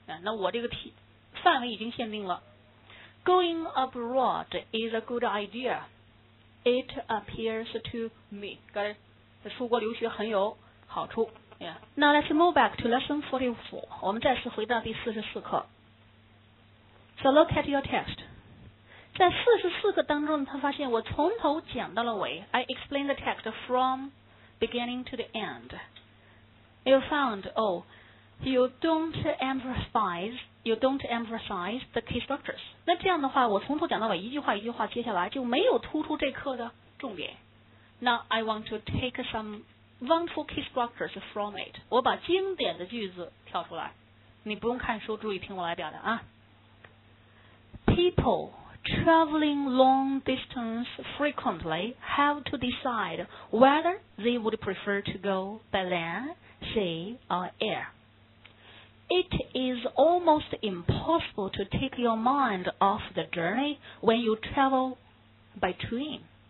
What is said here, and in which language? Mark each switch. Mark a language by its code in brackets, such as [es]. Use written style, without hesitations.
[zh] 那我这个题范围已经限定了。 [en] Going abroad is a good idea. It appears to me, got it? [zh] 出国留学很有好处。 [en] Yeah. Now let's move back to lesson 44. [zh] 我们再次回到第44课。 [en] So look at your text. [zh] 在44课当中，他发现我从头讲到了尾。 [en] I explain the text from beginning to the end. You found, You don't emphasize the key structures. [zh] 那这样的话，我从头讲到尾，一句话一句话接下来就没有突出这课的重点。 [en] Now I want to take some wonderful key structures from it. [zh] 我把经典的句子挑出来，你不用看书，注意听我来表达啊。 [en] People traveling long distance frequently have to decide whether they would prefer to go by land, sea, or air. It is almost impossible to take your mind off the journey when you travel by train.